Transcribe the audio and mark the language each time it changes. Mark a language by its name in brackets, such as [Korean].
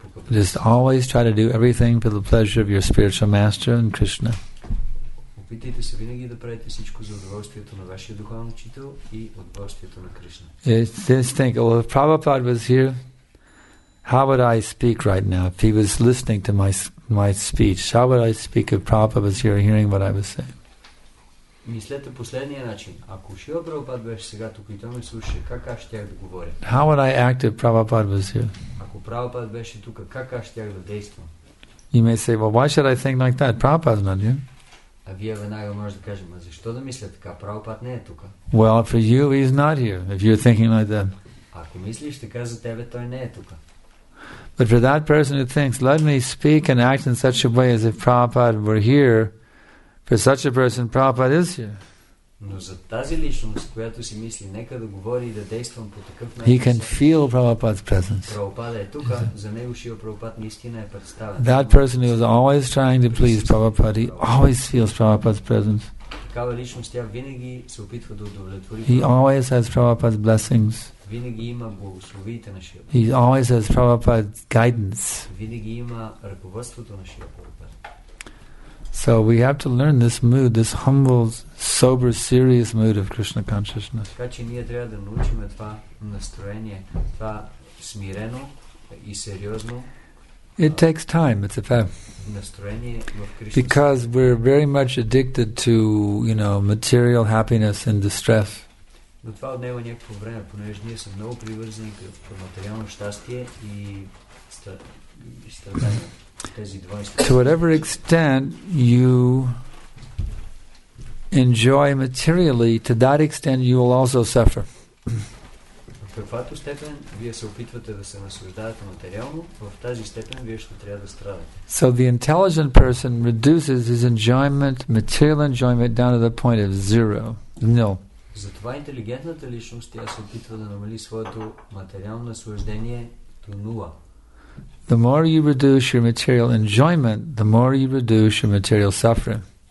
[English] Just always try to do everything for the pleasure of your spiritual master and Krishna. [Bulgarian] Опитайте се винаги да правите всичко за удоволствието на вашия духовен учител и удоволствието на Кришна. [English] Just think, well, if Prabhupada was here, how would I speak right now? If he was listening to my speech, how would I speak if Prabhupada was here hearing what I was saying? [Bulgarian] Мислете последния начин. Ако Шрила Прабхупада беше сега тук и той ме слушаше, как аз щях да говоря? [English] How would I act if Prabhupada was here? [Bulgarian] Ако Прабхупада беше тук, как аз щях да действам? [English] You may say, well, why should I think like that? Prabhupada's not here. [Bulgarian] А вие веднага може да кажем, защо да мисля така? Прабхупада не е тук. [English] Well, for you, he's not here, if you're thinking like that. [Bulgarian] Ако мислиш така за тебе, той не е тук. [English] But for that person who thinks, let me speak and act in such a way as if Prabhupada were here, for such a person, Prabhupada is here. [Bulgarian] Но за тази личност, която си мисли, нека да говори и да действам по такъв начин. [English] He can feel Prabhupada's presence. [Bulgarian] Прабхупада е тук, за него Шрила Прабхупада наистина е представен. [English] That person who is always trying to please Prabhupada, he always feels Prabhupada's presence. [Bulgarian] Такава личност, тя винаги се опитва да удовлетвори. [English] He always has Prabhupada's blessings. [Bulgarian] Винаги има благословията на Шрила. [English] He always has Prabhupada's guidance. [Bulgarian] Винаги има ръководството на Шрила. [English] So we have to learn this mood, this humble, sober, serious mood of Krishna consciousness. [Bulgarian] Така че ние трябва да научим това настроение, това смирено и сериозно. [English] It takes time, it's a fact. [Bulgarian] Настроение в Кришна. [English] Because we're very much addicted to, you know, material happiness and distress. [Bulgarian] Но това отнема някакво време, понеже ние сме много привързани към материално щастие и страдание. [English] To whatever extent you enjoy materially, to that extent you will also suffer. [Bulgarian] В каквато степен вие се опитвате да се наслаждавате материално, в тази степен вие ще трябва да страдате. [English] So the intelligent person reduces his enjoyment, material enjoyment, down to the point of zero, nil. [Bulgarian] Затова интелигентната личност тя се опитва да намали своето материално наслаждение до нула. [English] The more you reduce your material enjoyment, the more you reduce your material suffering.